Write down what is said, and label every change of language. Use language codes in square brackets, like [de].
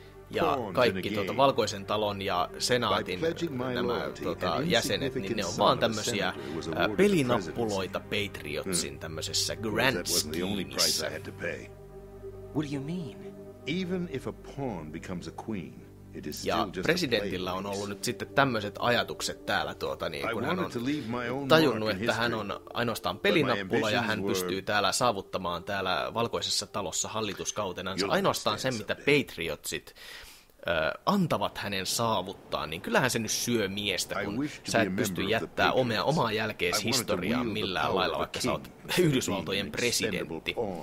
[fi] Ja kaikki Valkoisen talon ja senaatin nämä jäsenet, niin ne on vaan tämmösiä pelinappuloita Patriotsin tämmöisessä grand schemeissä. [en] What do you mean? Even if a pawn becomes a queen, it is still just a [fi] presidentillä on ollut nyt sitten tämmöiset ajatukset täällä kun hän on tajunnut, että hän on ainoastaan pelinappula ja hän pystyy täällä saavuttamaan täällä Valkoisessa talossa hallituskautenansa ainoastaan sen, mitä patriotsit antavat hänen saavuttaa, niin kyllähän se nyt syö miestä, kun sä et pysty jättää omaa jälkeen historiaan millään lailla, vaikka sä oot Yhdysvaltojen presidentti.